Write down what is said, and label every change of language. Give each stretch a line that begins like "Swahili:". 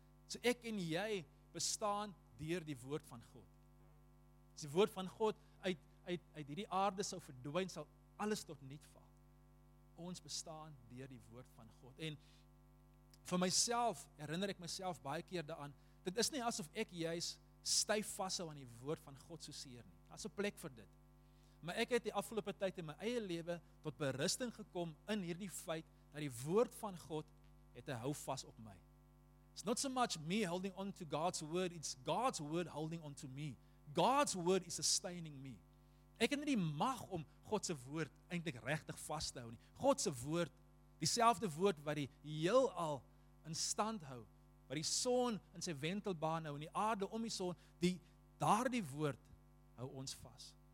Afrikaans: So ek en jy bestaan deur die woord van God. As die woord van God uit hierdie aarde sou verdwyn, sal alles tot niet val. Ons bestaan deur die woord van God. En vir myself, herinner ek myself baie keer daaraan, dit is nie asof ek juist styf vashou aan die woord van God so seer nie. Daar's 'n plek vir dit. Maar ek het die afgelope tyd in my eie lewe tot berusting gekom in hierdie feit dat die woord van God het 'n houvas op my.
English: It's not so much me holding on to God's word, it's God's word holding on to me. God's word is sustaining me.
Afrikaans: Ek het nie die mag om God se woord eintlik regtig vas te hou nie. God se woord, dieselfde woord wat die heelal in stand hou, waar die son in sy wentelbaan hou en die aarde om die son, die daardie woord hou ons vas.